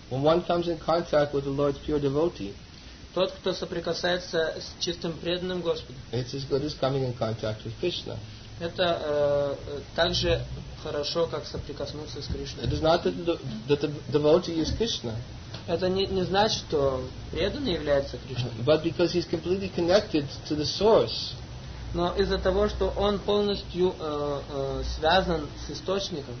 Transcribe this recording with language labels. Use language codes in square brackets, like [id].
[en] When one comes in contact with the Lord's pure devotee, [ru] тот, кто соприкасается с чистым преданным Господу, [en] it's as good as coming in contact with Krishna. [ru] Это так же хорошо, как соприкоснуться с Кришной. [en] It is not that the devotee is Krishna. [ru] Это не значит, что преданный является Кришной. [en] But because he's completely connected to the source. [ru] Но из-за того, что он полностью связан с источником.